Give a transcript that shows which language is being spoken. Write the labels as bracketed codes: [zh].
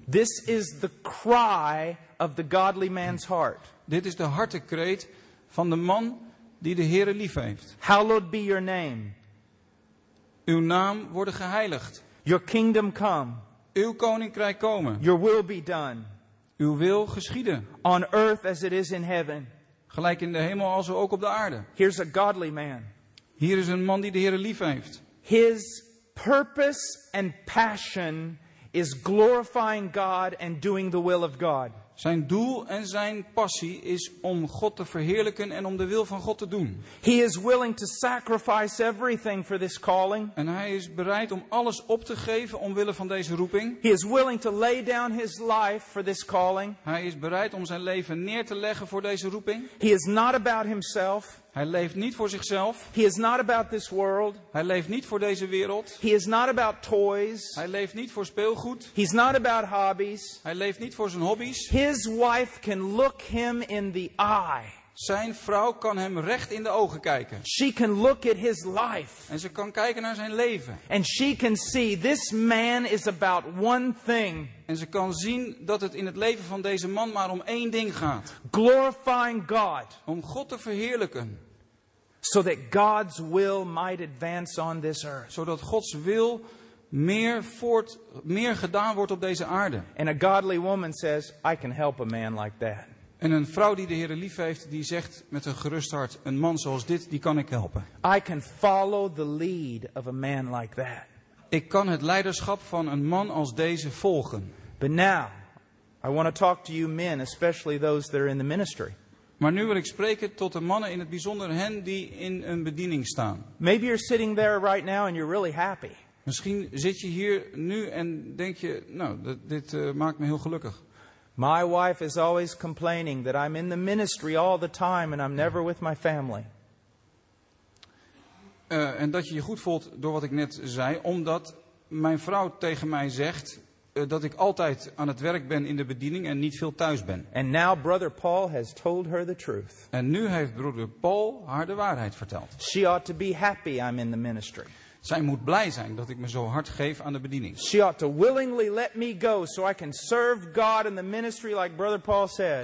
[en] This is the cry of the godly man's heart. [nl] Dit is de hartekreet van de man die de Heere lief heeft. [en] Hallowed be your name. [nl] Uw naam worden geheiligd. [en] Your kingdom come. [nl] Uw koninkrijk komen. [en] Your will be done. [nl] Uw wil geschieden. [en] On earth as it is in heaven. [nl] Gelijk in de hemel als ook op de aarde. [en] Here's a godly man. [nl] Hier is een man die de Heere lief heeft. [en] His purpose and passion is glorifying God and doing the will of God. [nl] Zijn doel en zijn passie is om God te verheerlijken en om de wil van God te doen. [en] He is willing to sacrifice everything for this calling. [nl] En hij is bereid om alles op te geven omwille van deze roeping. [en] He is willing to lay down his life for this calling. [nl] Hij is bereid om zijn leven neer te leggen voor deze roeping. [en] He is not about himself. [nl] Hij leeft niet voor zichzelf. [en] He is not about this world. [nl] Hij leeft niet voor deze wereld. [en] He is not about toys. [nl] Hij leeft niet voor speelgoed. [en] He's not about hobbies. [nl] Hij leeft niet voor zijn hobby's. [en] His wife can look him in the eye. [nl] Zijn vrouw kan hem recht in de ogen kijken. [en] She can look at his life. [nl] En ze kan kijken naar zijn leven. [en] And she can see this man is about one thing. [nl] En ze kan zien dat het in het leven van deze man maar om één ding gaat. [en] Glorifying God. [nl] Om God te verheerlijken. [en] So that God's will might advance on this earth. [nl] Zodat Gods wil meer gedaan wordt op deze aarde. [en] And a godly woman says, I can help a man like that. [nl] En een vrouw die de Heere lief heeft, die zegt met een gerust hart, een man zoals dit, die kan ik helpen. [en] I can follow the lead of a man like that. [nl] Ik kan het leiderschap van een man als deze volgen. [en] But now, I want to talk to you men, especially those that are in the ministry. [nl] Maar nu wil ik spreken tot de mannen, in het bijzonder hen die in een bediening staan. [en] Maybe you're sitting there right now and you're really happy. [nl] Misschien zit je hier nu en denk je, nou, dit maakt me heel gelukkig. [en] My wife is always complaining that I'm in the ministry all the time and I'm never with my family. [nl] En dat je je goed voelt door wat ik net zei, omdat mijn vrouw tegen mij zegt dat ik altijd aan het werk ben in de bediening en niet veel thuis ben. [en] And now brother Paul has told her the truth. [nl] En nu heeft broeder Paul haar de waarheid verteld. [en] She ought to be happy I'm in the ministry. [nl] Zij moet blij zijn dat ik me zo hard geef aan de bediening. [en] She ought to willingly let me go so I can serve God in the ministry like brother Paul said.